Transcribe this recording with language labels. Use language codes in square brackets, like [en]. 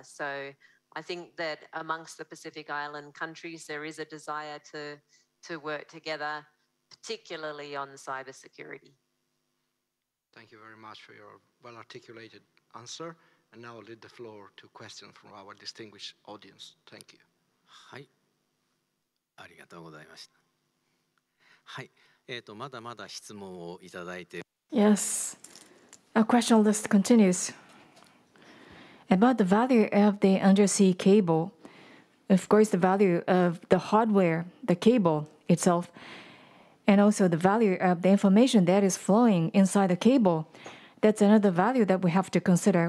[en] So I think that amongst the Pacific Island countries, there is a desire to work together, particularly on cybersecurity. Thank you very much for your well-articulated answer. And now I'll leave the floor to questions from our distinguished audience. Thank you. [ja] はい、ありがとうございました。はい、まだまだ質問をいただいて。 [en] Yes, a question list continues. About the value of the undersea cable, of course the value of the hardware, the cable itself, and also the value of the information that is flowing inside the cable, that's another value that we have to consider.